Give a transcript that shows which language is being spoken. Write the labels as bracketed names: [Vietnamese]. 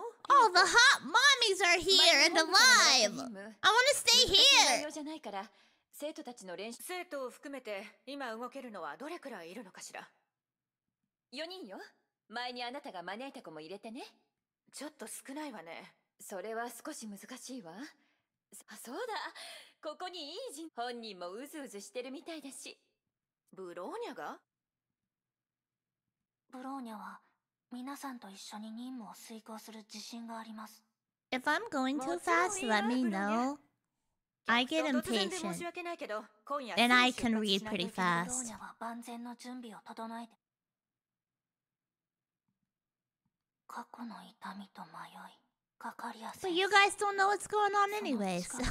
[English] Oh, the hot mommies are here and alive. I want to stay here. [Japanese] 必要じゃないから、生徒たちの練習。生徒を含めて今動けるのはどれくらいいるのかしら？四人よ。前にあなたが招いた子も入れてね。ちょっと少ないわね。それは少し難しいわ。あ、そうだ、ここにいい人。本人もうずうずしてるみたいだし。ブローニャが？ブローニャは皆さんと一緒に任務を遂行する自信があります。 [English] If I'm going too fast, let me know. I get impatient, and I can read pretty fast. But you guys don't know what's going on anyways.